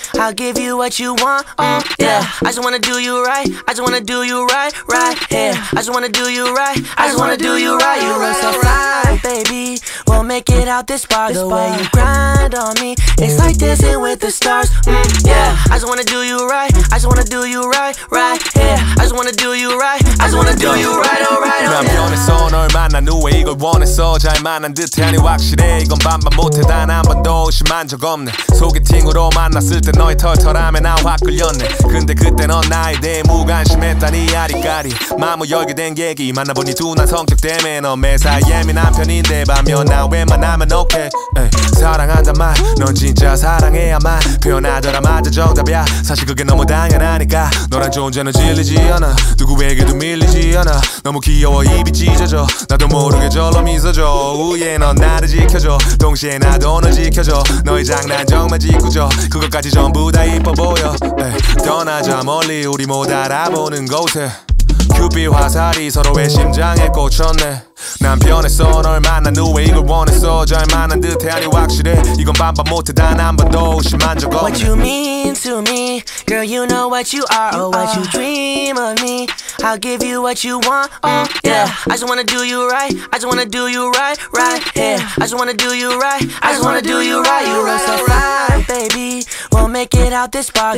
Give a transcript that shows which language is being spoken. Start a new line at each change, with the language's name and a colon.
English: I'll give you what you want, yeah. I just wanna do you right, I just wanna do you right, right, yeah. I just wanna do you right, I just wanna do you right. You run so fly, baby. Won't make it out this far. The way you grind on me, it's like dancing with the stars, yeah. I just wanna do you right, I just wanna do you right, right, yeah. I just wanna do you right, I just wanna do you right, alright, alright.
Korean: 난 변했어, 널 만난 후에 이걸 원했어. 잘 만난 듯하니 확실해. 이건 반반 못해, 단 한 번도 의심한 적 없네. 소개팅으로 만났을 때 너의 털털함에 나 확 끌렸네. 근데 그때 넌 나에 대해 무관심했다니 아리까리. 마음을 열게 된 계기 만나보니 둔한 성격 때문에. 넌 매사에 예민한 편인데 반면 나 웬만하면 오케이. 사랑한단 말 넌 진짜 사랑해야만 표현하더라. 맞아 정답이야. 사실 그게 너무 당연하니까. 너란 존재는 질리지 않아. 누구에게도 밀리지 않아. 너무 귀여워 입이 찢어져. 나도 모르게 절로 미소져. 우예 넌 나를 지켜줘. 동시에 나도 너 지켜줘. 너의 장난 정말 짓궂어. 그것까지 전부 다 이뻐 보여. 떠나자 멀리 우리 못 알아보는 곳에. 큐비 화살이 서로의 심장에 꽂혔네. 난 변했어, 널 만난 후에 이걸 원했어. 잘 만난 듯해 아니 확실해. 이건 반반 못해, 단 한 번도 의심한 적 없네.
English: What you mean to me? Girl, you know what you are, or what you dream of me. I'll give you what you want, yeah. I just wanna do you right, I just wanna do you right, right, yeah. I just wanna do you right, I just wanna do you right. You run so fly, baby. Won't make it out this far.